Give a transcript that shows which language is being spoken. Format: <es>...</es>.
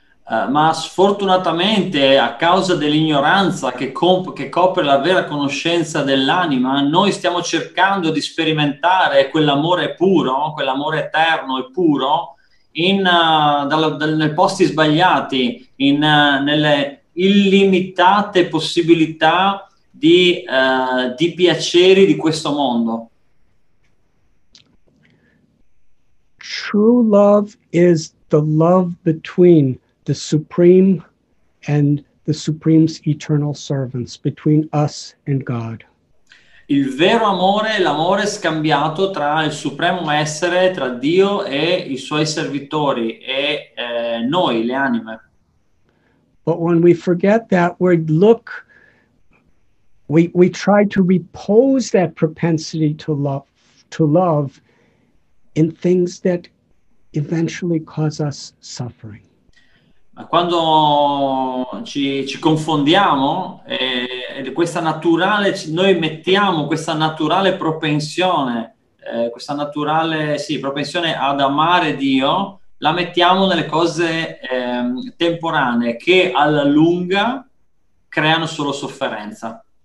<it>Ma sfortunatamente, a causa dell'ignoranza che copre la vera conoscenza dell'anima, noi stiamo cercando di sperimentare quell'amore puro, quell'amore eterno e puro, nei posti sbagliati, nelle illimitate possibilità di piaceri di questo mondo.</it> <en>True love is the love between the supreme and the supreme's eternal servants, between us and God.</en> <it>Il vero amore è l'amore scambiato tra il supremo essere, tra Dio e i suoi servitori, e noi, le anime.</it> <en>But when we forget that, we try to repose that propensity to love in things that eventually cause us suffering.</en> <it>Quando ci confondiamo, questa naturale, noi mettiamo questa naturale propensione, propensione ad amare Dio, la mettiamo nelle cose temporanee che alla lunga creano solo sofferenza.</it>